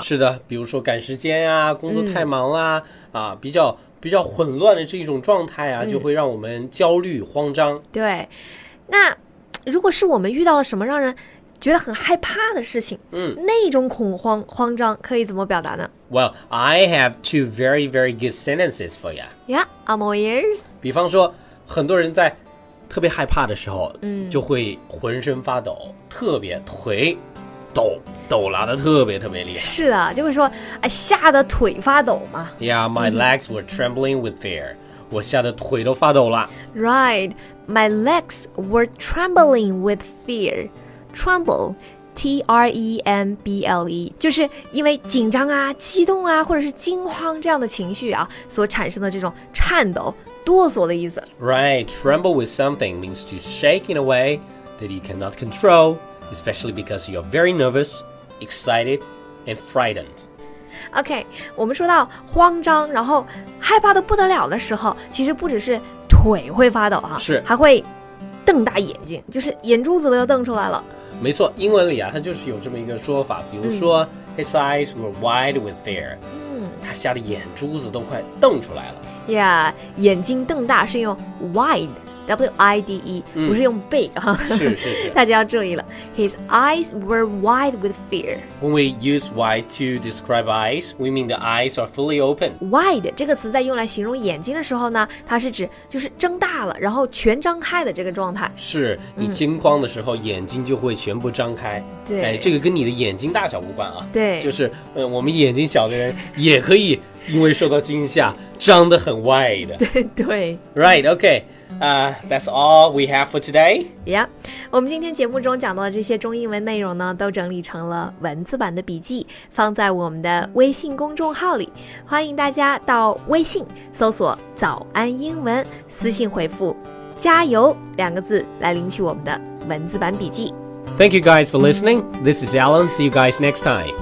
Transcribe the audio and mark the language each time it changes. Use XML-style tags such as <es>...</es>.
<zh>是的，比如说赶时间啊，工作太忙啦、啊，比较混乱的这种状态啊，就会让我们焦虑慌张。对，那如果是我们遇到了什么让人觉得很害怕的事情，那种恐慌慌张可以怎么表达呢？</zh> <en>Well, I have two very, very good sentences for you. Yeah, I'm all ears.</en> <zh>比方说，很多人在特别害怕的时候，就会浑身发抖，特别腿抖，抖拉得特别特别厉害。是的，就会说，吓得腿发抖嘛。</zh> <en>Yeah, my legs were trembling with fear.</en> <zh>我吓得腿都发抖了。</zh> <en>Right, my legs were trembling with fear.</en> <zh>Tremble, T-R-E-M-B-L-E, 就是因为紧张啊、激动啊，或者是惊慌这样的情绪啊，所产生的这种颤抖、哆嗦的意思。</zh> <en>Right, tremble with something means to shake in a way that you cannot control, especially because you're very nervous, excited, and frightened.</en> <zh>OK, 我们说到慌张然后害怕得不得了的时候，其实不只是腿会发抖，是还会瞪大眼睛，就是眼珠子都要瞪出来了。没错，英文里啊，它就是有这么一个说法，比如说、</zh> <en>His eyes were wide with fear.</en> <zh>他吓得眼珠子都快瞪出来了。 Yeah, 眼睛瞪大是用 wide, W-I-D-E,、不是用 big. 是是是。大家要注意了。</zh> <en>His eyes were wide with fear. When we use wide to describe eyes, we mean the eyes are fully open.</en> <zh>Wide, 这个词在用来形容眼睛的时候呢，它是指就是睁大了，然后全张开的这个状态。是，你惊慌的时候、眼睛就会全部张开。对，这个跟你的眼睛大小无关啊。对，就是、我们眼睛小的人也可以因为受到惊吓张得很 wide。对对。</zh> <en>Right, okay、that's all we have for today.</en> <zh>Yeah, 我们今天节目中讲到的这些中英文内容呢，都整理成了文字版的笔记，放在我们的微信公众号里，欢迎大家到微信搜索早安英文，私信回复加油两个字来领取我们的文字版笔记。</zh> <en>Thank you guys for listening. This is Alan. See you guys next time.</en>